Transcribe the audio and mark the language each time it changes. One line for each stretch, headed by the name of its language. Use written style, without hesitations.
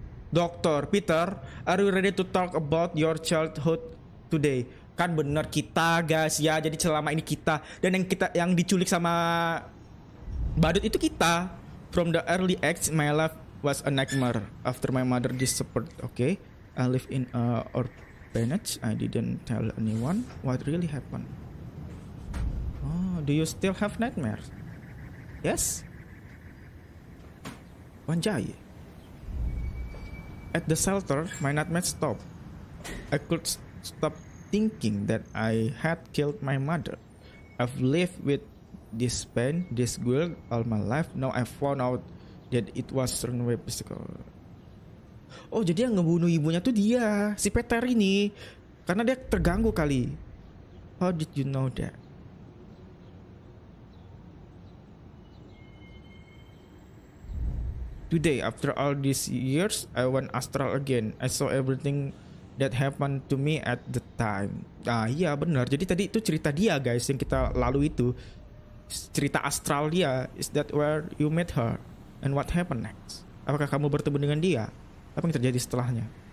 English: Dokter Peter, are you ready to talk about your childhood today?
Indonesian: Kan benar kita, guys, ya. Jadi selama ini kita dan yang kita yang diculik sama badut itu kita.
English: From the early age, my life was a nightmare. After my mother disappeared, okay, I live in a orphanage. I didn't tell anyone what really happened. Oh, do you still have nightmares? Yes. Wanjay. At the shelter, my nightmares stopped. I could stop thinking that I had killed my mother. I've lived with this pain, this guilt all my life. Now I found out that it was runaway physical.
Indonesian: Oh, jadi yang ngebunuh ibunya tuh dia, si Peter ini. Karena dia terganggu kali.
English: How did you know that? Today, after all these years, I went astral again. I saw everything that happened to me at the time.
Indonesian: Ah iya, benar. Jadi tadi itu cerita dia, guys, yang kita lalu itu. Cerita astral dia.
English: Is that where you met her? And what happened next?
Indonesian: Apakah kamu bertemu dengan dia? Apa yang terjadi setelahnya?